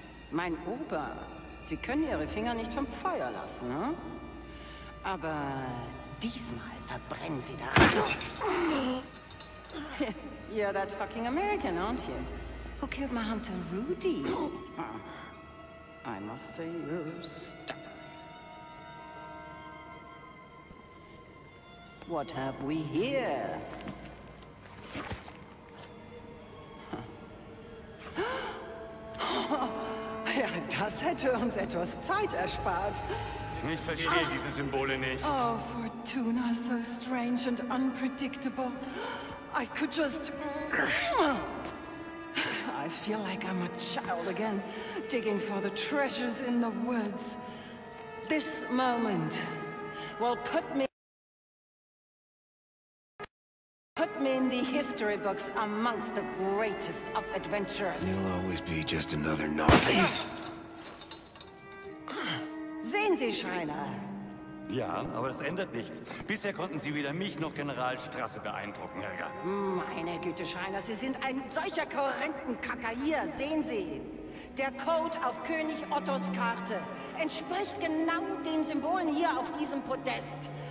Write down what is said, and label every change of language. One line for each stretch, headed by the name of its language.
German: Mein Ober, Sie können Ihre Finger nicht vom Feuer lassen, hm? Aber diesmal verbrennen Sie daran.
English: You're that fucking American, aren't you? Who killed my hunter Rudy? I must say you're stubborn. What have we here?
German: Ja, das hätte uns etwas Zeit erspart. Ich verstehe diese Symbole nicht.
English: Oh, Fortuna, so strange and unpredictable. I could just... I feel like I'm a child again, digging for the treasures in the woods. This moment will put me in the history books amongst the greatest of adventurers. You'll always be just another Nazi.
German: Sehen Sie, Schreiner? Ja, aber das ändert nichts. Bisher konnten Sie weder mich noch General Strasse beeindrucken, Helga. Meine Güte, Schreiner, Sie sind ein solcher Korinthenkacker. Hier, sehen Sie, der Code auf König Ottos Karte entspricht genau den Symbolen hier auf diesem Podest.